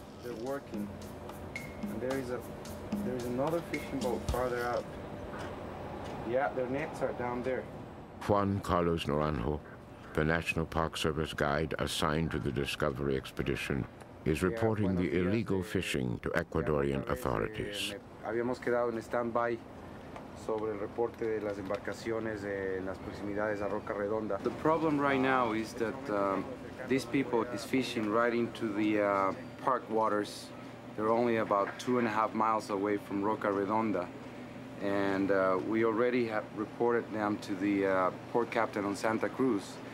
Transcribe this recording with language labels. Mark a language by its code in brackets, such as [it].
[en] They're working, and there is another fishing boat farther out. Yeah, their nets are down there. Juan Carlos Naranjo, the National Park Service guide assigned to the Discovery expedition, is reporting the illegal fishing to Ecuadorian authorities. [es] Habíamos quedado en standby sobre el reporte de las embarcaciones en las proximidades a Roca Redonda. [en] The problem right now is that these people is fishing right into the park waters. They're only about 2.5 miles away from Roca Redonda. And we already have reported them to the port captain on Santa Cruz.